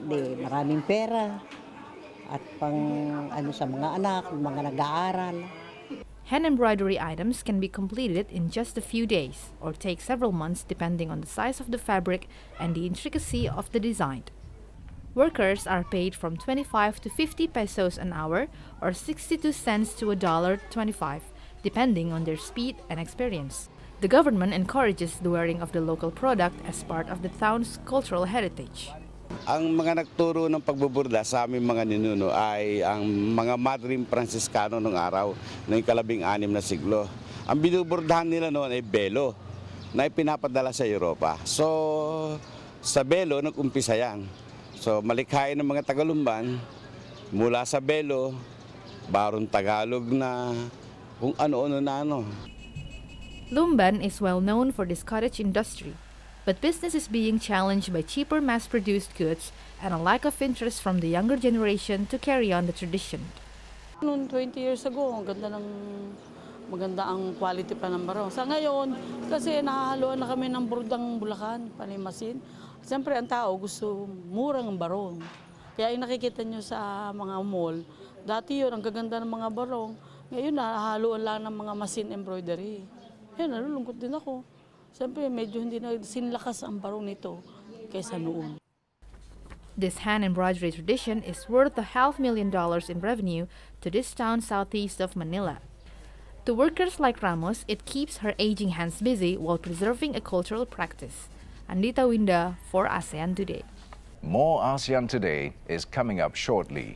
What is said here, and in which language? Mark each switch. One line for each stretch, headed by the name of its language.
Filipino: de maraming pera at pang ano sa mga anak, mga nag-aaral.
English: Hand embroidery items can be completed in just a few days or take several months depending on the size of the fabric and the intricacy of the design. Workers are paid from 25 to 50 pesos an hour or 62 cents to $1.25, depending on their speed and experience. The government encourages the wearing of the local product as part of the town's cultural heritage.
Filipino: Ang mga nagturo ng pagbuburda sa aming mga ninuno ay ang mga madring Pransiskano ng araw ng 16 na siglo. Ang binuburdahan nila noon ay belo na ipinapadala sa Europa. So, sa belo, nag-umpisa yan. So, malikhain ng mga Tagalumban mula sa belo, barong Tagalog na kung ano-ano na ano.
English: Lumban is well known for this cottage industry, but business is being challenged by cheaper mass-produced goods and a lack of interest from the younger generation to carry on the tradition.
Filipino: Noon
English: 20 years ago,
Filipino: maganda ang quality pa ng barong. Sa ngayon, kasi nahahaluan na kami ng burdang Bulacan, Panimasin. Siyempre, ang tao gusto murang barong. Kaya yung nakikita nyo sa mga mall, dati yun, ang gaganda ng mga barong. Ngayon, nahahaluan lang ng mga masin embroidery. Ngayon, nalulungkot din ako. Siyempre, medyo hindi na sinlakas ang barong nito kaysa noon.
English: This hand embroidery tradition is worth $500,000 in revenue to this town southeast of Manila. To workers like Ramos, it keeps her aging hands busy while preserving a cultural practice. Andita Winda for ASEAN Today. More ASEAN Today is coming up shortly.